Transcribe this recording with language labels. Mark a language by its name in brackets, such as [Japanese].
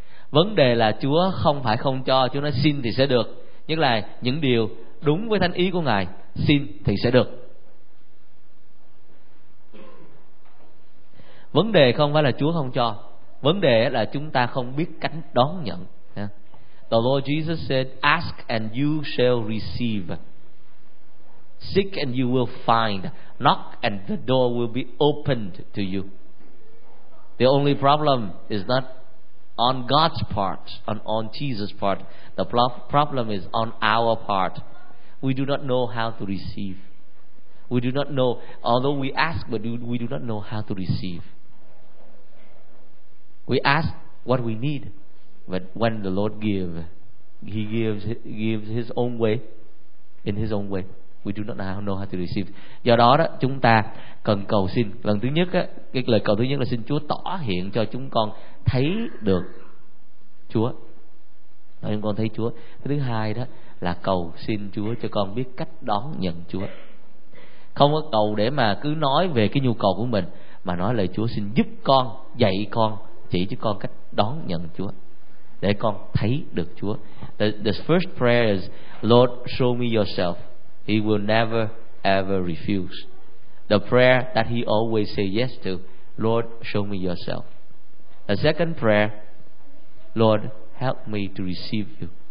[Vietnamese] Vấn đề là Chúa không phải không cho, Chúa nói xin thì sẽ được. Nhất là những điều đúng với thánh ý của Ngài, xin thì sẽ được. Vấn đề không phải là Chúa không cho, vấn đề là chúng ta không biết cách đón nhận. [English] The Lord Jesus said, ask and you shall receive, seek and you will find, knock and the door will be opened to you. The only problem is not on God's part, on Jesus' part. The problem is on our part. We do not know how to receive. We do not know, although we ask, but we do not know how to receive. We ask what we need, but when the Lord gives His own way, in His own way, we do not know how to receive. [Vietnamese] Do đó chúng ta cần cầu xin. Lần thứ nhất cái lời cầu thứ nhất là xin Chúa tỏ hiện cho chúng con thấy được Chúa. Cho chúng con thấy Chúa. Thứ hai đó là cầu xin Chúa cho con biết cách đón nhận Chúa. Không có cầu để mà cứ nói về cái nhu cầu của mình, mà nói lời Chúa xin giúp con, dạy con, chỉ cho con cách đón nhận Chúa, để con thấy được Chúa. [English] The first prayer is, Lord, show me yourself. He will never ever refuse. The prayer that he always say yes to, Lord, show me yourself. The second prayer, Lord, help me to receive you.